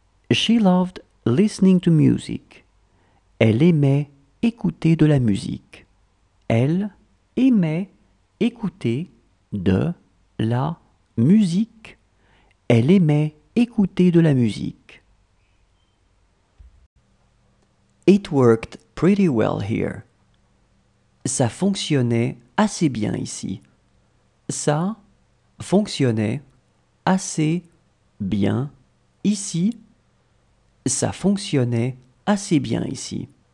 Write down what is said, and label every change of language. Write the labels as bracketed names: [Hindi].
[English] She loved listening to music. [French] Elle aimait écouter de la musique. Elle aimait écouter de la musique. Elle aimait écouter de la musique. [English] It worked pretty well here. [French] Ça fonctionnait assez bien ici. Ça fonctionnait assez bien ici. Ça fonctionnait assez bien ici.